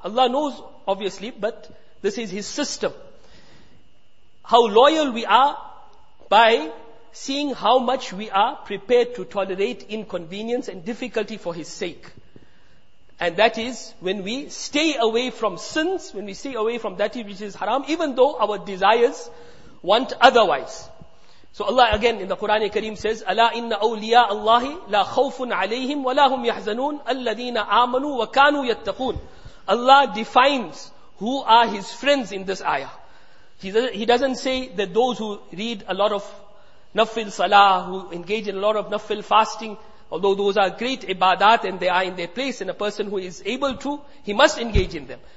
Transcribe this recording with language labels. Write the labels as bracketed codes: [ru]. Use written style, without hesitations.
[en] Allah knows, obviously, but this is His system. How loyal we are by seeing how much we are prepared to tolerate inconvenience and difficulty for His sake. And that is when we stay away from sins, when we stay away from that which is haram, even though our desires want otherwise. So Allah again in the Quran Kareem says, [ar] أَلَا إِنَّ أَوْلِيَاءَ اللَّهِ لَا خَوْفٌ عَلَيْهِمْ وَلَا هُمْ يَحْزَنُونَ الَّذِينَ آمَنُوا وَكَانُوا يَتَّقُونَ. [en] Allah defines who are His friends in this ayah. He doesn't say that those who read a lot of nafil salah, who engage in a lot of nafil fasting, although those are great ibadat and they are in their place, and a person who is able to, he must engage in them.